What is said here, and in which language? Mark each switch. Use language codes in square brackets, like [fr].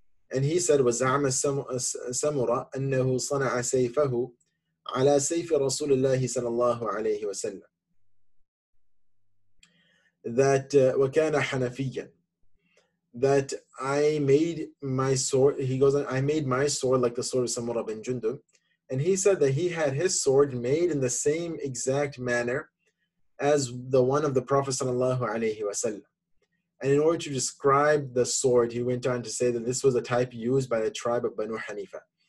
[en] And he said, [ar] "Waza'ama Samurah annahu sana'a sayfahu على سيف رسول الله صلى الله عليه وسلم." That وكان حنفيا. [en] That I made my sword. He goes on, I made my sword like the sword of Samurah bin Jundub, and he said that he had his sword made in the same exact manner as the one of the Prophet [ar] صلى الله عليه وسلم. [en] And in order to describe the sword, he went on to say that this was a type used by the tribe of Banu Hanifa.